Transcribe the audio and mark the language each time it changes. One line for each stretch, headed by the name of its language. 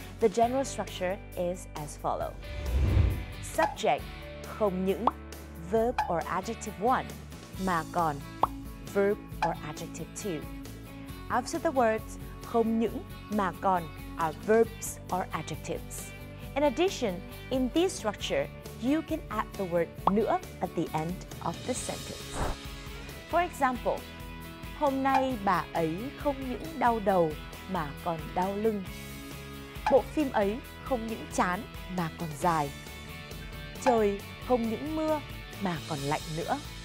English: The general structure is as follows. Subject không những, verb or adjective 1, mà còn, verb or adjective 2. After the words không những, mà còn are verbs or adjectives. In addition, in this structure, you can add the word nữa at the end of the sentence. For example,
Vietnamese: hôm nay bà ấy không những đau đầu mà còn đau lưng. Bộ phim ấy không những chán mà còn dài. Trời không những mưa mà còn lạnh nữa.